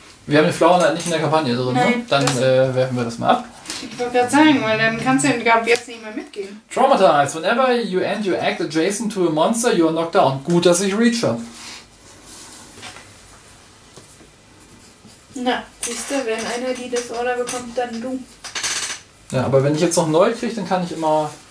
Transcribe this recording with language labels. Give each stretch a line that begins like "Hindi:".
German: Wir haben den Flower Knight nicht in der Kampagne drin, ne? Dann werfen wir das mal ab. Ich wollte gerade sagen, weil dann kannst du den Gab jetzt nicht mehr mitgehen.
English: Traumatized, whenever you end your act adjacent to a monster, you are knocked down.
German: Gut, dass ich Reacher. Na, siehst du, wenn einer die Disorder bekommt, dann du. Ja, aber wenn ich jetzt noch neu kriege, dann kann ich immer.